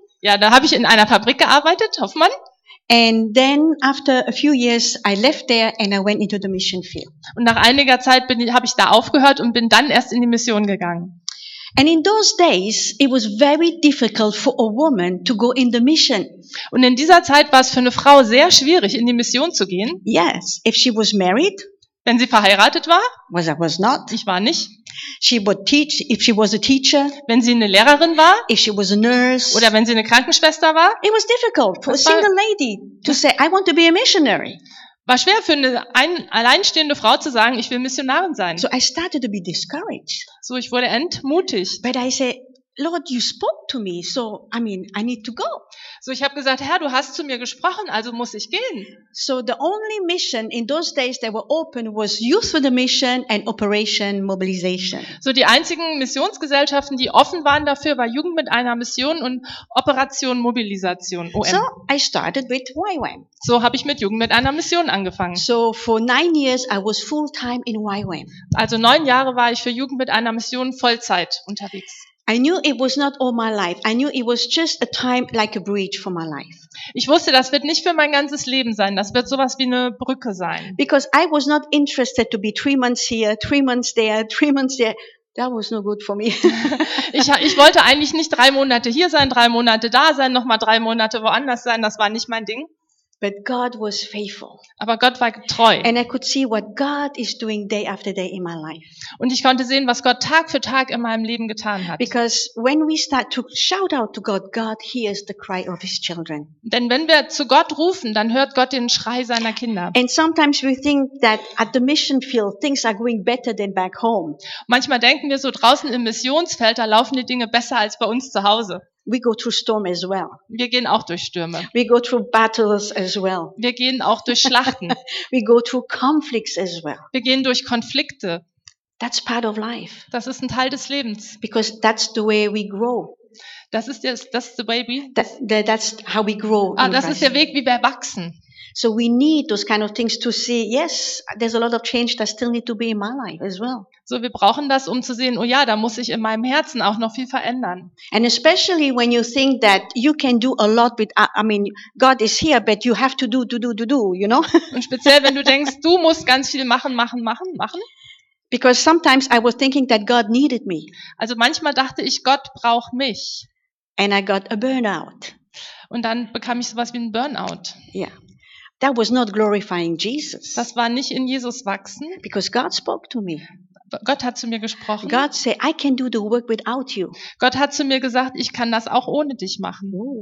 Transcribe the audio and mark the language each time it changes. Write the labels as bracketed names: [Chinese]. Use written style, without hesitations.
[German] Ja, da habe ich in einer Fabrik gearbeitet, Hoffmann. [English] And then after a few years I left there and I went into the mission field. [German] Und nach einiger Zeit habe ich da aufgehört und bin dann erst in die Mission gegangen. [English] And in those days it was very difficult for a woman to go in the mission. [German] Und in dieser Zeit war es für eine Frau sehr schwierig in die Mission zu gehen. [English] Yes, if she was married. [German] Wenn sie verheiratet war? [English] Was I was not. [German] Ich war nicht. [English] She would teach if she was a teacher. [German] Wenn sie eine Lehrerin war? [English] If she was a nurse. [German] Oder wenn sie eine Krankenschwester war? [English] It was difficult for a single lady to say I want to be a missionary. [German] War schwer für eine alleinstehende Frau zu sagen, ich will Missionarin sein. [English] So I started to be discouraged. [German] So ich wurde entmutigt. [English] But I say, Lord, you spoke to me, so I mean, I need to go. [German] So ich habe gesagt, Herr, du hast zu mir gesprochen, also muss ich gehen. [English] So the only mission in those days that were open was Youth for the Mission and Operation Mobilization. [German] So die einzigen Missionsgesellschaften, die offen waren dafür, war Jugend mit einer Mission und Operation Mobilisation, OM. [English] So I started with YWAM. [German] So habe ich mit Jugend mit einer Mission angefangen. [English] So for 9 years I was full time in YWAM. [German] Also 9 Jahre war ich für Jugend mit einer Mission Vollzeit unterwegs. [English] I knew it was not all my life. I knew it was just a time like a bridge for my life. [German] Ich wusste, das wird nicht für mein ganzes Leben sein. Das wird sowas wie eine Brücke sein. [English] Because I was not interested to be 3 months here, 3 months there, 3 months there. That was no good for me. [German] Ich wollte eigentlich nicht 3 Monate hier sein, 3 Monate da sein, nochmal 3 Monate woanders sein. Das war nicht mein Ding. [English] But God was faithful. [German] Aber Gott war treu. [English] And I could see what God is doing day after day in my life. [German] Und ich konnte sehen, was Gott Tag für Tag in meinem Leben getan hat. [English] Because when we start to shout out to God, God hears the cry of his children. [German] Denn wenn wir zu Gott rufen, dann hört Gott den Schrei seiner Kinder. [English] And sometimes we think that at the mission field things are going better than back home. [German] Manchmal denken wir so, draußen im Missionsfeld, da laufen die Dinge besser als bei uns zu Hause. [English] We go through storm as well. [German] Wir gehen auch durch Stürme. [English] We go through battles as well. [German] Wir gehen auch durch Schlachten. [English] We go through conflicts as well. [German] Wir gehen durch Konflikte. [English] That's part of life. [German] Das ist ein Teil des Lebens. [English] Because that's the way we grow. [German] Das ist das [English] the way we. That's how we grow. [German] Ah, das ist der Weg, wie wir wachsen. [English] So we need those kind of things to see. Yes, there's a lot of change that still need to be in my life as well. [German] So wir brauchen das, um zu sehen, oh ja, da muss ich in meinem Herzen auch noch viel verändern. [English] And especially when you think that you can do a lot with, I mean, God is here, but you have to do, you know? [German] Und speziell wenn du denkst, du musst ganz viel machen. [English] Because sometimes I was thinking that God needed me. [German] Also manchmal dachte ich, Gott braucht mich. [English] And I got a burnout. [German] Und dann bekam ich sowas wie ein Burnout. [English] Yeah. That was not glorifying Jesus. [German] Das war nicht in Jesus wachsen. [English] Because God spoke to me. [German] Gott hat zu mir gesprochen. [English] God said, I can do the work without you. [German] Gott hat zu mir gesagt, ich kann das auch ohne dich machen.